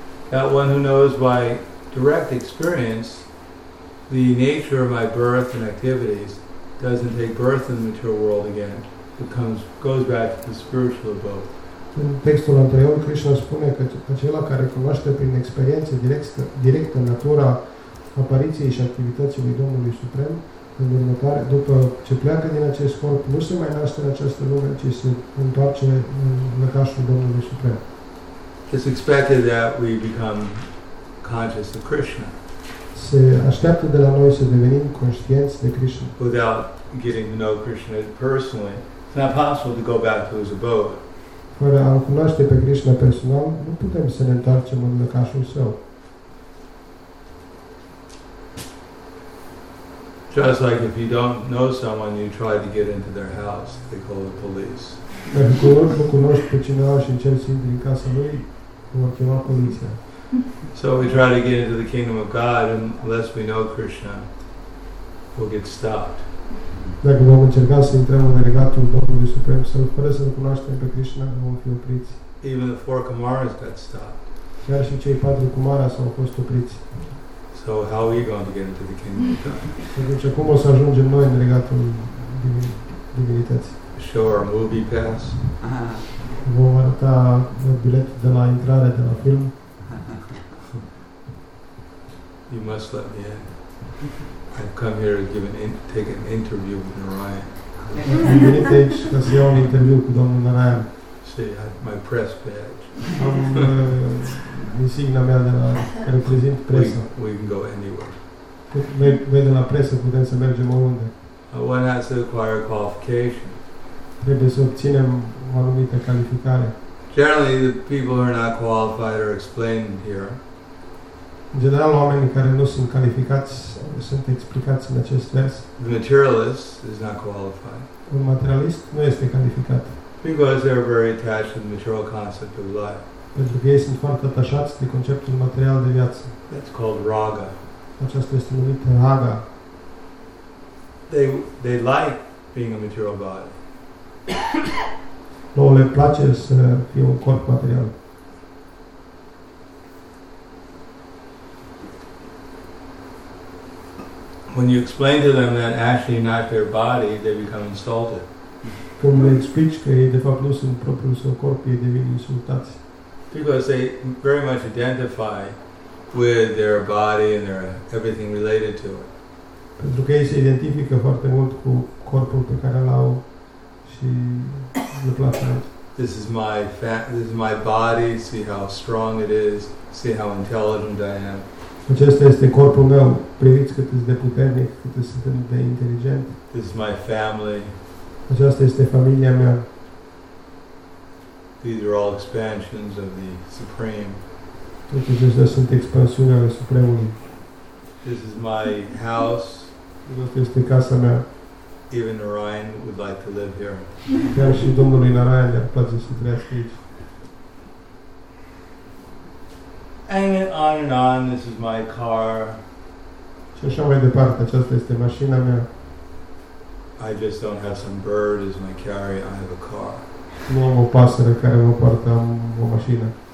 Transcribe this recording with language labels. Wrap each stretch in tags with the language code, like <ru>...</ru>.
<en>That one who knows by direct experience the nature of my birth and activities doesn't take birth in the material world again, but goes back to the spiritual abode.</en> <ro>În textul anterior, Krishna spune că acela care cunoaște prin experiență directă natura apariției și activității lui Domnului Suprem, după ce pleacă din acest corp, nu se mai naște în această lume, ci se întoarce în lăcașul Domnului Suprem.</ro> <en>It's expected that we become conscious of Krishna.</en> <ro>Se așteaptă de la noi să devenim conștienți de Krishna.</ro> <en>Without getting to know Krishna personally, It's not possible to go back to his abode.</en> <ro>Fără a-l cunoaște pe Krishna personal, nu putem să ne întoarcem în locașul său.</ro> <en>Just like if you don't know someone, you try to get into their house, they call the police.</en> <ro>Dacă tu nu cunoști pe cineva și încerci să intri în casa lui, vor chema poliția.</ro> <en>So we try to get into the kingdom of God, and unless we know Krishna, we'll get stopped.</en> <ro>Dacă vom încerca să intrăm în regatul Domnului Suprem, să-L fără să-L cunoaștem pe Krishna, vom fi opriți.</ro> <en>Even the four Kumaras got stopped.</en> <ro>Chiar și cei patru Kumaras au fost opriți.</ro> <en>So how are we going to get into the kingdom of God?</en> <ro>Deci, cum o să ajungem noi în regatul divinității?</ro> <en>Show our movie pass.</en> <ro>Vom arăta biletul de la intrare de la film.</ro> <en>You must let me in. I've come here to give take an interview with Narayan.</en> <ro>Am venit aici ca să iau un interviu cu domnul Narayan.</ro> <en>See, I have my press badge.</en> <ro>Am insignia mea de la care reprezint presa.</ro> <en>We can go anywhere.</en> <ro>Noi de la presă putem să mergem oriunde.</ro> <en>One has to acquire a qualification.</en> <ro>Trebuie să obținem o anumită calificare.</ro> <en>Generally, the people who are not qualified are explained here.</en> <ro>În general, oamenii care nu sunt calificați sunt explicați în acest vers.</ro> <en>The materialist is not qualified.</en> <ro>Un materialist nu este calificat.</ro> <en>Because they are very attached to the material concept of life.</en> <ro>Pentru că ei sunt foarte atașați de conceptul material de viață.</ro> <en>That's called raga.</en> <ro>Aceasta este numită raga.</ro> <en>They like being a material body.</en> <ro>Nu le place să fie un corp material.</ro> <en>When you explain to them that actually not their body, they become insulted.</en> <ro>Cum le explici că ei de fapt nu sunt propriul său corp, ei devin insultați.</ro> <en>Because they very much identify with their body and their everything related to it.</en> <ro>Pentru că ei se identifică foarte mult cu corpul pe care l-au și le place.</ro> <en>This is my body, see how strong it is, see how intelligent I am.</en> <ro>Acesta este corpul meu. Priviți cât este de puternic, cât este de inteligent.</ro> <en>This is my family.</en> <ro>Aceasta este familia mea.</ro> <en>These are all expansions of the Supreme.</en> <ro>Toate acestea sunt expansiuni ale Supremului.</ro> <en>This is my house.</en> <ro>Aceasta este casa mea.</ro> <en>Even Narayan would like to live here.</en> <ro>Chiar și domnului Narayan ar place să trăiască aici.</ro> <en>And on, this is my car.</en> <ro>Și așa mai departe, aceasta este mașina mea.</ro> <en>I just don't have some bird as my carrier, I have a car.</en> <ro>Nu am o pasăre care mă poartă, am o mașină.</ro>